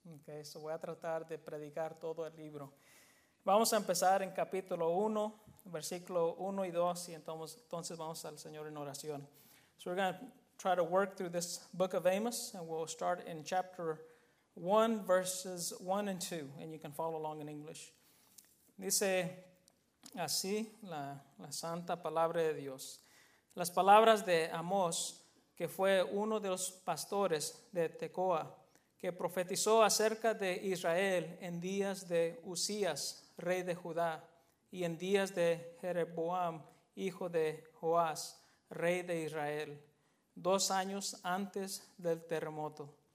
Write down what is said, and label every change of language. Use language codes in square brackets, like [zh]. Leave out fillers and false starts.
[en] Okay, so [es] voy a tratar de predicar todo el libro. Vamos a empezar en capítulo 1, versículo 1 y 2, y entonces vamos al Señor en oración. [en] So we're going to try to work through this book of Amos, and we'll start in chapter 1, verses 1 and 2, and you can follow along in English. [es] Dice así la santa palabra de Dios. Las palabras de Amós, que fue uno de los pastores de Tecoa, que profetizó acerca de Israel en días de Usías, rey de Judá, y en días de Jeroboam, hijo de Joás, rey de Israel, 2 años antes del terremoto.